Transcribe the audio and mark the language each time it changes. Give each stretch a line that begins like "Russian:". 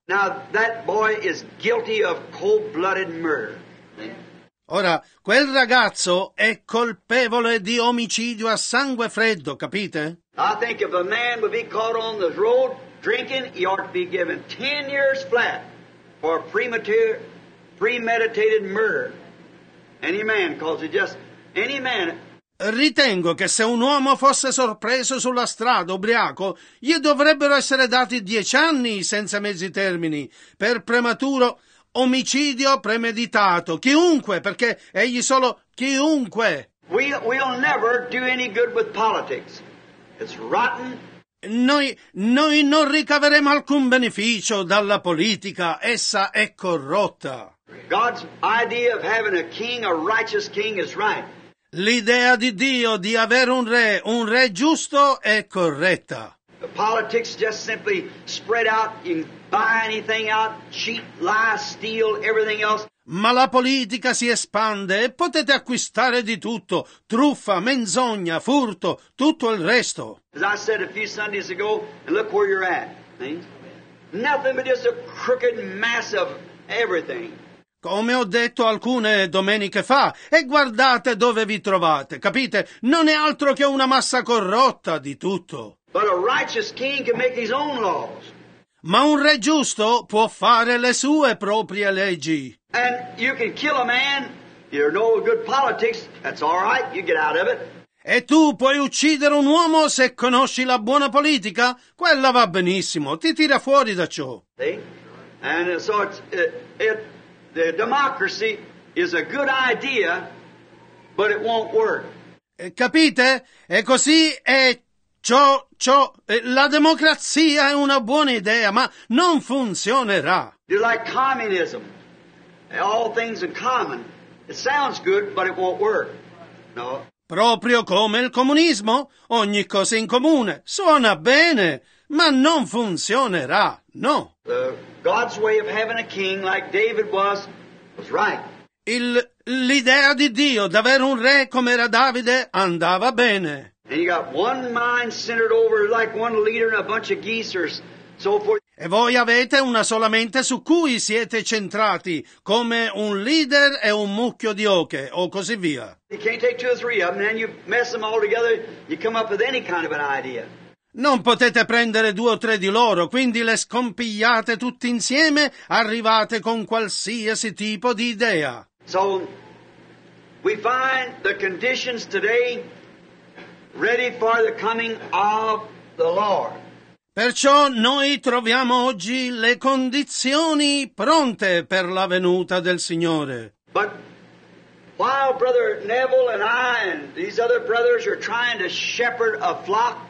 English: Now that boy is guilty of cold-blooded murder.
Italian: Ora, quel ragazzo è colpevole di omicidio a sangue freddo, capite?
English: I think if a man would be caught on the road drinking, he ought to be given 10 years flat for premeditated murder. Any man, cause it just any man.
Italian: Ritengo che se un uomo fosse sorpreso sulla strada ubriaco, gli dovrebbero essere dati 10 anni senza mezzi termini per prematuro omicidio premeditato. Chiunque, perché egli solo chiunque.
English: We'll never do any good with politics. It's rotten.
Italian: Noi non ricaveremo alcun beneficio dalla politica. Essa è corrotta.
English: God's idea of having a king, a righteous king, is right.
Italian: L'idea di Dio di avere un re giusto, è corretta.
English: The politics just simply spread out, you can buy anything out, cheat, lie, steal, everything else.
Italian: Ma la politica si espande e potete acquistare di tutto, truffa, menzogna, furto, tutto il resto.
English: As I said a few Sundays ago, and look where you're at. Nothing but just a crooked mass of everything.
Italian: Come ho detto alcune domeniche fa, e guardate dove vi trovate, capite? Non è altro che una massa corrotta di tutto.
English: But a righteous king can make his own laws.
Italian: Ma un re giusto può fare le sue proprie leggi.
English: And you can kill a man, you're no good politics, that's all right, you get out of it.
Italian: E tu puoi uccidere un uomo se conosci la buona politica? Quella va benissimo, ti tira fuori da ciò.
English: See? And so the democracy is a good idea, but it won't work.
Italian: Capite? E così è ciò. La democrazia è una buona idea, ma non funzionerà.
English: You like communism? All things in common. It sounds good, but it won't work. No.
Italian: Proprio come il comunismo, ogni cosa in comune suona bene, ma non funzionerà. No.
English: God's way of having a king like David was. That's right.
Italian: L'idea di Dio d'avere un re come era Davide andava bene.
English: And you got one mind centered over like one leader and a bunch of geesers, so forth.
Italian: E voi avete una sola mente su cui siete centrati come un leader e un mucchio di oche o così via.
English: You can't take two or three of them, and you mess them all together, you come up with any kind of an idea.
Italian: Non potete prendere due o tre di loro, quindi le scompigliate tutti insieme, arrivate con qualsiasi tipo di idea.
English: So, we find the conditions today ready for the coming of the Lord.
Italian: Perciò noi troviamo oggi le condizioni pronte per la venuta del Signore.
English: But while Brother Neville and I and these other brothers are trying to shepherd a flock.